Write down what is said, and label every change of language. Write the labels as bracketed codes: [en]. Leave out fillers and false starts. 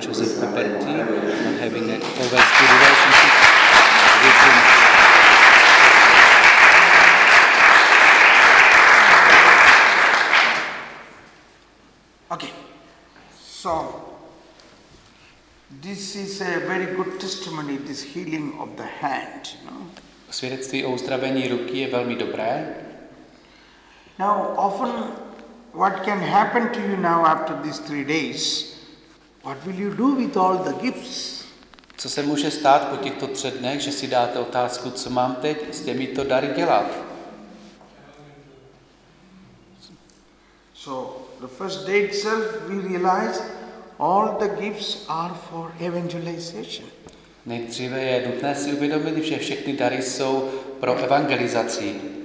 [en] Joseph Kuperti for having an always good relationship with him. Okay, so this is a very good testimony, this healing of the hand, you know. [cs] Svědectví o uzdravení ruky je velmi dobré. [en] Now, often what can happen to you now after these 3 days, what will you do with all the gifts? [cs] Co se může stát po těchto třech dnech, že si dáte otázku, co mám teď s těmito dary dělat? [en] So, the first day itself we realize all the gifts are for evangelization. [cs] Nejdříve je nutné si uvědomit, že všechny dary jsou pro evangelizaci.